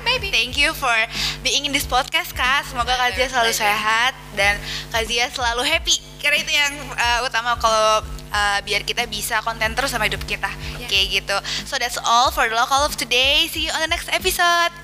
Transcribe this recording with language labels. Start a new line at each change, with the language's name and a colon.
English: Thank you for being in this podcast, Kak.
Indonesian: Semoga Kak Zia selalu sehat dan Kak Zia selalu happy. Karena itu yang utama kalau biar kita bisa konten terus sama hidup kita. Kayak gitu.
English: So that's all for the Local Love today. See you on the next episode.